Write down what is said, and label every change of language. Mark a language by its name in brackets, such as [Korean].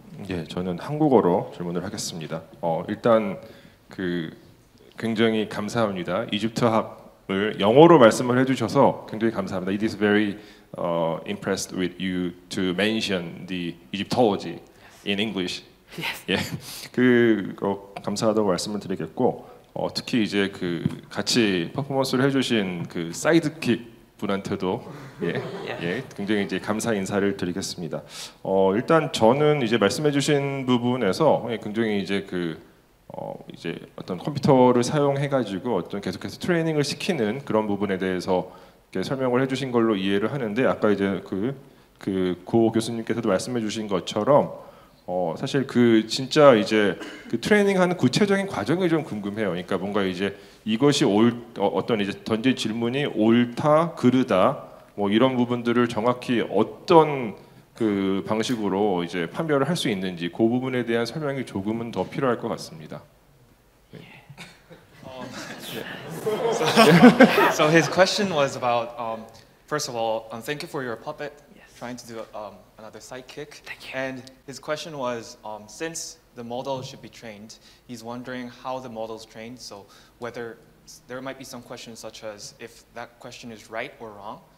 [Korean] 예, 저는 한국어로 질문을 하겠습니다. 일단 그 굉장히 감사합니다. 이집트학을 영어로 말씀을 해주셔서 굉장히 감사합니다. [English] It is very impressed with you to mention the Egyptology in English. Yes. [Korean] 예, 그 감사하다고 말씀을 드리겠고 특히 이제 그 같이 퍼포먼스를 해주신 그 사이드킥 분한테도 예, 굉장히 이제 감사 인사를 드리겠습니다. 일단 저는 이제 말씀해주신 부분에서 굉장히 이제 그 이제 어떤 컴퓨터를 사용해가지고 어떤 계속해서 트레이닝을 시키는 그런 부분에 대해서 이렇게 설명을 해주신 걸로 이해를 하는데 아까 이제 그 고 교수님께서도 말씀해주신 것처럼 사실 그 진짜 이제 그 트레이닝하는 구체적인 과정이 좀 궁금해요. 그러니까 뭔가 이제 이것이 어떤 이제 던진 질문이 옳다 그르다 뭐 이런 부분들을 정확히 어떤 그 방식으로 이제 판별을 할 수 있는지 그 부분에 대한 설명이 조금은 더 필요할 것 같습니다. [English] So his question was about first of all, thank you for your puppet. Trying to do another sidekick. Thank you. And his question was, since the model should be trained, he's wondering how the model's trained, so whether there might be some questions such as if that question is right or wrong.